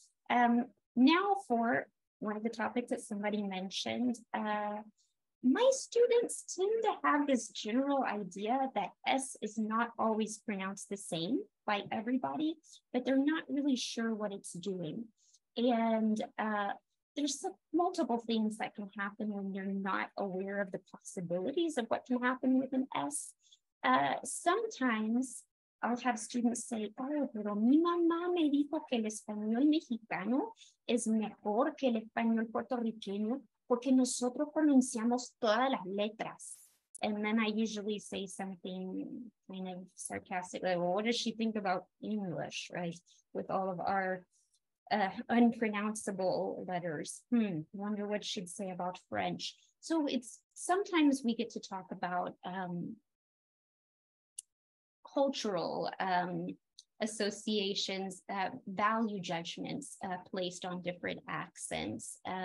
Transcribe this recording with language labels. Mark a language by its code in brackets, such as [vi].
[en] Now for one of the topics that somebody mentioned, my students tend to have this general idea that S is not always pronounced the same by everybody, but they're not really sure what it's doing. And there's multiple things that can happen when you're not aware of the possibilities of what can happen with an S. Sometimes I'll have students say, oh, [es] pero mi mamá me dijo que el español mexicano es mejor que el español puertorriqueño porque nosotros pronunciamos todas las letras. [en] And then I usually say something kind of sarcastic, like, well, what does she think about English, right? With all of our unpronounceable letters. Wonder what she'd say about French. So it's sometimes we get to talk about cultural associations, value judgments placed on different accents.